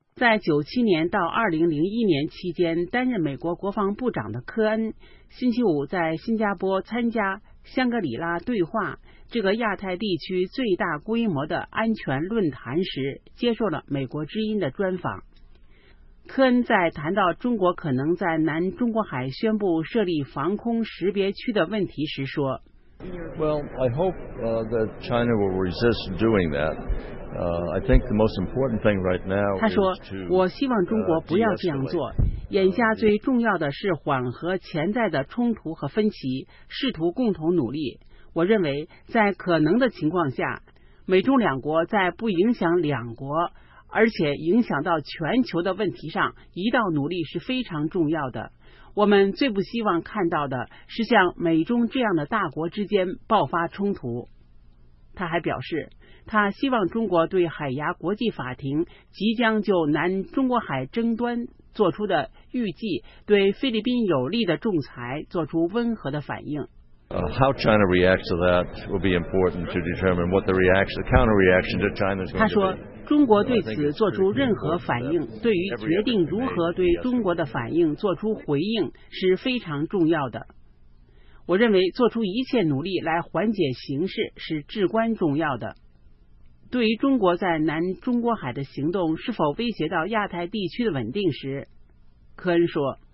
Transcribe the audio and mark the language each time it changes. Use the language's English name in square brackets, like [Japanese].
[Chinese] 在1997年到2001年期间担任美国国防部长的科恩，星期五在新加坡参加香格里拉对话，这个亚太地区最大规模的安全论坛时，接受了美国之音的专访。科恩在谈到中国可能在南中国海宣布设立防空识别区的问题时说 [English] ：“Well, I hope that China will resist doing that. I think the most important thing right now.” [Chinese] 他说：“我希望中国不要这样做。眼下最重要的是缓和潜在的冲突和分歧，试图共同努力。” 我认为在可能的情况下，美中两国在不影响两国而且影响到全球的问题上一道努力是非常重要的。我们最不希望看到的是像美中这样的大国之间爆发冲突。他还表示，他希望中国对海牙国际法庭即将就南中国海争端做出的预计对菲律宾有利的仲裁做出温和的反应。 [English] How China reacts to that will be important to determine what the reaction, the counter reaction to China is. [Chinese] 他说，中国对此做出任何反应，对于决定如何对中国的反应做出回应是非常重要的。我认为做出一切努力来缓解形势是至关重要的。对于中国在南中国海的行动是否威胁到亚太地区的稳定时，科恩说。